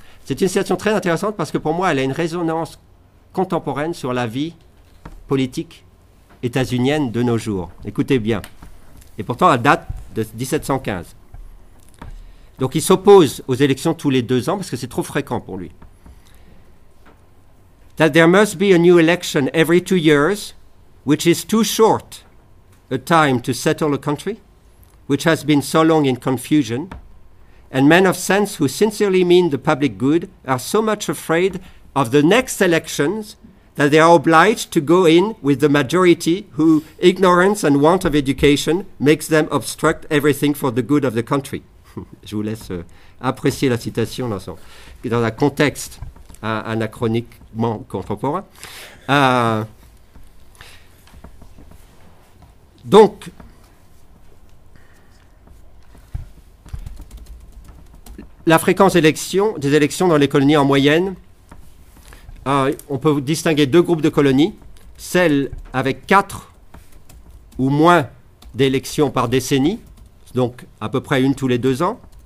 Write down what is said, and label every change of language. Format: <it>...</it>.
<fr>C'est une citation très intéressante parce que pour moi, elle a une résonance contemporaine sur la vie politique états-unienne de nos jours. Écoutez bien. Et pourtant, elle date de 1715. Donc il s'oppose aux élections tous les 2 ans parce que c'est trop fréquent pour lui.</fr> <en>That there must be a new election every 2 years, which is too short a time to settle a country, which has been so long in confusion, and men of sense who sincerely mean the public good are so much afraid of the next elections that they are obliged to go in with the majority who ignorance and want of education makes them obstruct everything for the good of the country.</en> <fr>Je vous laisse apprécier la citation dans un contexte anachroniquement contemporain. Donc, la fréquence des élections dans les colonies en moyenne, on peut distinguer 2 groupes de colonies, celles avec 4 ou moins d'élections par décennie, donc à peu près 1 tous les 2 ans,</fr>